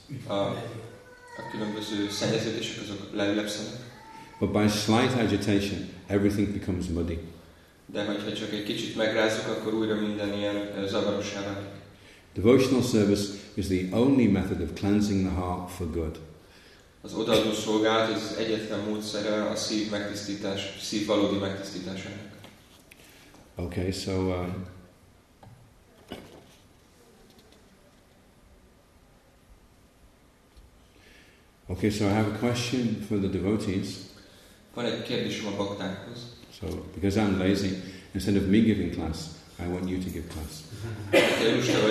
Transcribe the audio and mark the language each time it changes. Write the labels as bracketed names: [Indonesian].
[Hungarian] A különböző szennyeződések azok lelepszenek. [English] But by slight agitation, everything becomes muddy. [Hungarian] De hogyha csak egy kicsit megrázzuk, akkor újra minden ilyen zavarossá válik. [English] Devotional service is the only method of cleansing the heart for good. [Hungarian] Az odaadó szolgálat az egyetlen módszere a szív megtisztítás, szív valódi megtisztításának. [English] Okay, so I have a question for the devotees. [Hungarian] Van egy kérdésem a baktákhoz. [English] So, because I'm lazy, instead of me giving class, I want you to give class.